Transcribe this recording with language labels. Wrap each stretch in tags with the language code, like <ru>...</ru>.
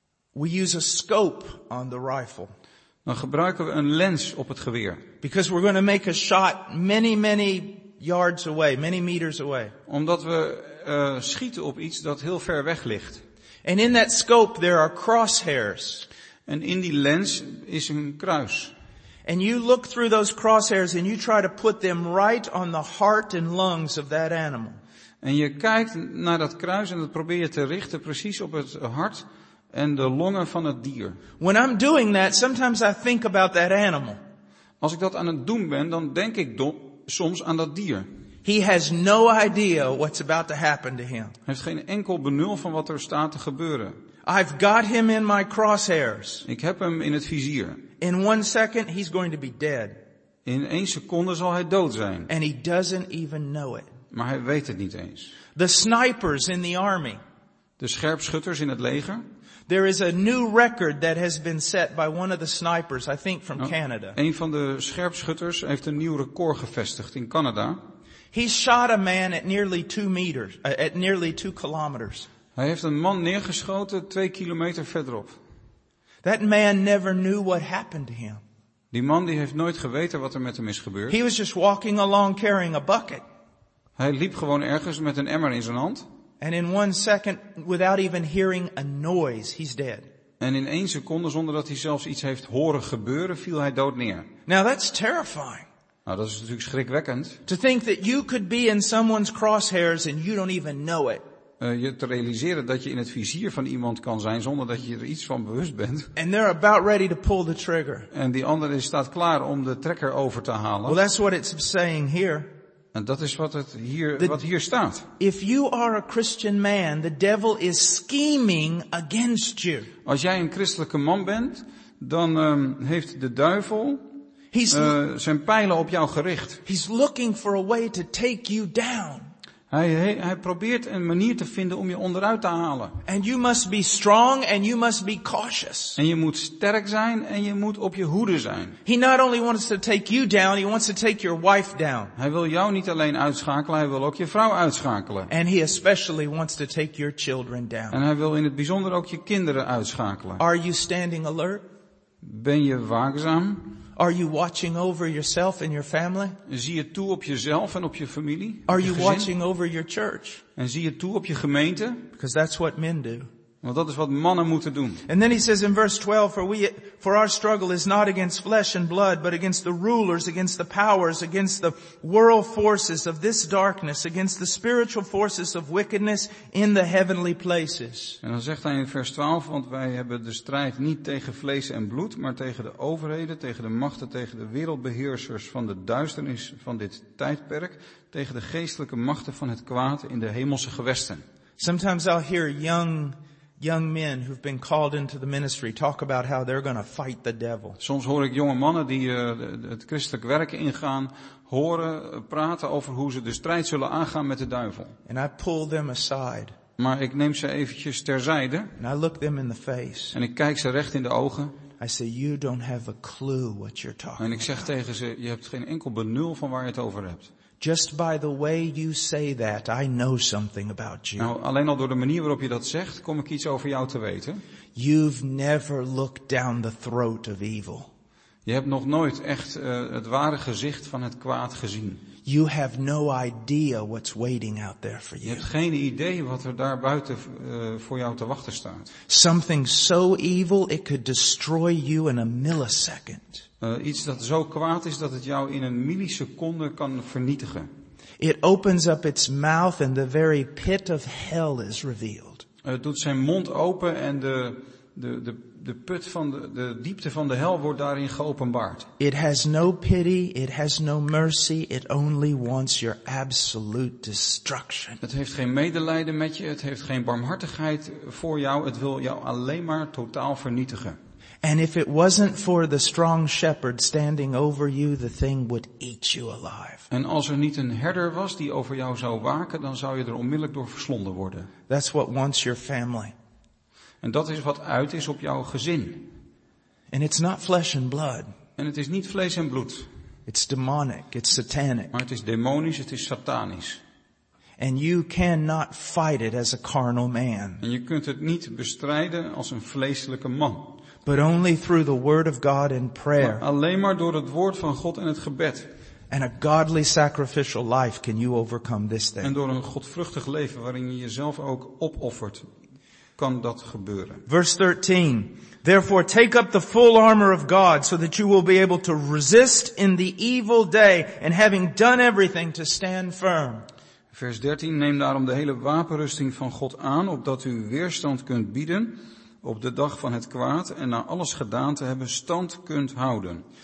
<en>We use a scope on the rifle.</en> <nl>Dan gebruiken we een lens op het geweer.</nl> <en>Because we're going to make a shot many, many yards away, many meters away.</en> <nl>Omdat we schieten op iets dat heel ver weg ligt.</nl> <en>And in that scope there are crosshairs.</en> <nl>En in die lens is een kruis.</nl> <en>And you look through those crosshairs and you try to put them right on the heart and lungs of that animal.</en> <nl>En je kijkt naar dat kruis en dat probeer je te richten precies op het hart en de longen van het dier.</nl> <en>When I'm doing that, sometimes I think about that animal.</en> <nl>Als ik dat aan het doen ben, dan denk ik soms aan dat dier.</nl> <en>He has no idea what's about to happen to him.</en> <nl>Hij heeft geen enkel benul van wat er staat te gebeuren.</nl> <en>I've got him in my crosshairs.</en> <nl>Ik heb hem in het vizier.</nl> <en>In 1 second he's going to be dead.</en> <nl>In 1 seconde zal hij dood zijn.</nl> <en>And he doesn't even know it.</en> <nl>Maar hij weet het niet eens.</nl> <en>The snipers in the army.</en> <nl>De scherpschutters in het leger.</nl> <en>There is a new record that has been set by one of the snipers, I think from Canada.</en> <nl>Een van de scherpschutters heeft een nieuw record gevestigd in Canada.</nl> <en>He shot a man at nearly 2 meters, at nearly 2 kilometers.</en> <nl>Hij heeft een man neergeschoten 2 kilometer verderop.</nl> <en>That man never knew what happened to him.</en> <nl>Die man die heeft nooit geweten wat er met hem is gebeurd.</nl> <en>He was just walking along carrying a bucket.</en> <nl>Hij liep gewoon ergens met een emmer in zijn hand.</nl> <en>And in 1 second, without even hearing a noise, he's dead.</en> <nl>En in 1 seconde, zonder dat hij zelfs iets heeft horen gebeuren, viel hij dood neer.</nl> <en>Now that's terrifying.</en> <nl>Nou, dat is natuurlijk schrikwekkend.</nl> <en>To think that you could be in someone's crosshairs and you don't even know it.</en> <nl>Je te realiseren dat je in het vizier van iemand kan zijn zonder dat je er iets van bewust bent.</nl> <en>And they're about ready to pull the trigger.</en> <nl>En die ander staat klaar om de trekker over te halen.</nl> <en>Well, that's what it's saying here.</en> <nl>En dat is wat hier staat.</nl> <en>If you are a Christian man, the devil is scheming against you.</en> <nl>Als jij een christelijke man bent, dan heeft de duivel zijn pijlen op jou gericht.</nl> <en>He's looking for a way to take you down.</en> <nl>Hij probeert een manier te vinden om je onderuit te halen.</nl> <en>And you must be strong and you must be cautious.</en> <nl>En je moet sterk zijn en je moet op je hoede zijn.</nl> <en>He not only wants to take you down, he wants to take your wife down.</en> <nl>Hij wil jou niet alleen uitschakelen, hij wil ook je vrouw uitschakelen.</nl> <en>And he especially wants to take your children down.</en> <nl>En hij wil in het bijzonder ook je kinderen uitschakelen.</nl> <en>Are you standing alert?</en> <nl>Ben je waakzaam?</nl> <en>Are you watching over yourself and your family?</en> <nl>Zie je toe op jezelf en op je familie?</nl> <en>Are you watching over your church?</en> <nl>En zie je toe op je gemeente?</nl> <en>Because that's what men do.</en> <nl>Want dat is wat mannen moeten doen.</nl> <en>And then he says in verse 12, for our struggle is not against flesh and blood, but against the rulers, against the powers, against the world forces of this darkness, against the spiritual forces of wickedness in the heavenly places.</en> <nl>En dan zegt hij in vers 12, want wij hebben de strijd niet tegen vlees en bloed, maar tegen de overheden, tegen de machten, tegen de wereldbeheersers van de duisternis van dit tijdperk, tegen de geestelijke machten van het kwaad in de hemelse gewesten.</nl> <en>Sometimes I'll hear young men who've been called into the ministry talk about how they're going to fight the devil.</en> <nl>Soms hoor ik jonge mannen die het christelijk werk ingaan horen praten over hoe ze de strijd zullen aangaan met de duivel.</nl> <en>And I pull them aside.</en> <nl>Maar ik neem ze eventjes terzijde.</nl> <en>And I look them in the face.</en> <nl>En ik kijk ze recht in de ogen.</nl> <en>I say, you don't have a clue what you're talking.</en> <nl>En ik zeg tegen ze, je hebt geen enkel benul van waar je het over hebt.</nl> <en>Just by the way you say that, I know something about you.</en> <nl>Nou, alleen al door de manier waarop je dat zegt, kom ik iets over jou te weten.</nl> <en>You've never looked down the throat of evil.</en> <nl>Je hebt nog nooit echt het ware gezicht van het kwaad gezien.</nl> <en>You have no idea what's waiting out there for you.</en> <nl>Je hebt geen idee wat er daar buiten voor jou te wachten staat.</nl> <en>Something so evil it could destroy you in a millisecond.</en> <nl>Iets dat zo kwaad is dat het jou in een milliseconde kan vernietigen.</nl> <en>It opens up its mouth and the very pit of hell is revealed.</en> <nl>Het doet zijn mond open en de put van de diepte van de hel wordt daarin geopenbaard.</nl> <en>It has no pity, it has no mercy, it only wants your absolute destruction.</en> <nl>Het heeft geen medelijden met je, het heeft geen barmhartigheid voor jou, het wil jou alleen maar totaal vernietigen.</nl> <en>And if it wasn't for the strong shepherd standing over you, the thing would eat you alive.</en> <nl>En als er niet een herder was die over jou zou waken, dan zou je er onmiddellijk door verslonden worden.</nl> <en>That's what wants your family.</en> <nl>En dat is wat uit is op jouw gezin.</nl> <en>And it's not flesh and blood.</en> <nl>En het is niet vlees en bloed.</nl> <en>It's demonic, it's satanic.</en> <nl>Maar het is demonisch, het is satanisch.</nl> <en>And you cannot fight it as a carnal man.</en> <nl>En je kunt het niet bestrijden als een vleeselijke man.</nl> <en>But only through the word of God and prayer.</en> <nl>Maar alleen maar door het woord van God en het gebed.</nl> <en>And a godly sacrificial life can you overcome this thing.</en> <nl>En door een godvruchtig leven waarin je jezelf ook opoffert, kan dat gebeuren.</nl> <en>Verse 13. Therefore take up the full armor of God so that you will be able to resist in the evil day and having done everything to stand firm.</en> <nl>Vers 13. Neem daarom de hele wapenrusting van God aan opdat u weerstand kunt bieden op de dag van het kwaad en na alles gedaan te hebben stand kunt houden.</nl>